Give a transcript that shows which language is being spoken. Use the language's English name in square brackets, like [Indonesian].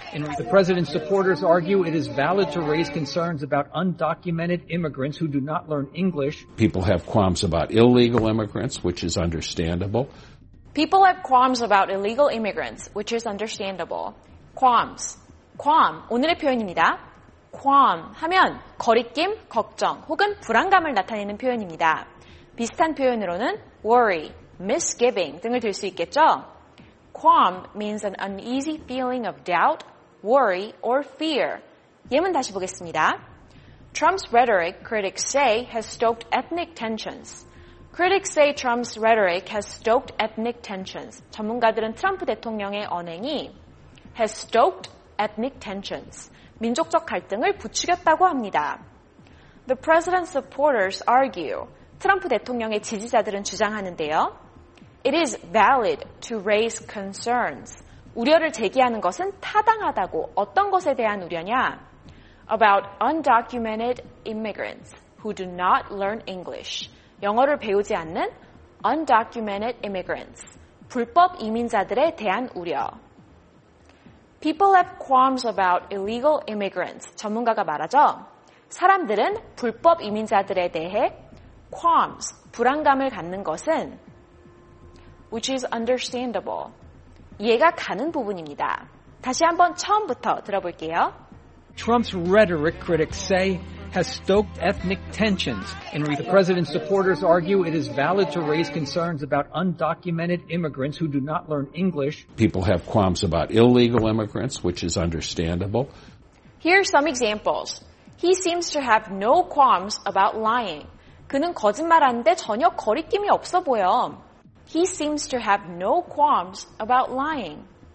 [English] And the president's supporters argue it is valid to raise concerns about undocumented immigrants who do not learn English. People have qualms about illegal immigrants, which is understandable. People have qualms about illegal immigrants, which is understandable. [Korean] Qualms. Qualm, 오늘의 표현입니다. Qualm 하면 거리낌, 걱정, 혹은 불안감을 나타내는 표현입니다. 비슷한 표현으로는 worry, misgiving 등을 들 수 있겠죠? [English] Qualm means an uneasy feeling of doubt, worry, or fear. [Korean] 예문 다시 보겠습니다. [English] Trump's rhetoric, critics say, has stoked ethnic tensions. Critics say Trump's rhetoric has stoked ethnic tensions. 전문가들은 트럼프 대통령의 언행이 has stoked ethnic tensions. [Korean] 민족적 갈등을 부추겼다고 합니다. [English] The president's supporters argue. [Korean] 트럼프 대통령의 지지자들은 주장하는데요. [English] It is valid to raise concerns. [Korean] 우려를 제기하는 것은 타당하다고. 어떤 것에 대한 우려냐? [English] About undocumented immigrants who do not learn English. [Korean] 영어를 배우지 않는 [English] undocumented immigrants. [Korean] 불법 이민자들에 대한 우려. [English] People have qualms about illegal immigrants. [Korean] 전문가가 말하죠. 사람들은 불법 이민자들에 대해 qualms, 불안감을 갖는 것은 [English] which is understandable. [Korean] 이해가 가는 부분입니다. 다시 한번 처음부터 들어볼게요. [English] Trump's rhetoric critics say has stoked ethnic tensions. And the president's supporters argue it is valid to raise concerns about undocumented immigrants who do not learn English. People have qualms about illegal immigrants, which is understandable. Here are some examples. He seems to have no qualms about lying. [Korean] 그는 거짓말하는데 전혀 거리낌이 없어 보여. [English] He seems to have no qualms about lying.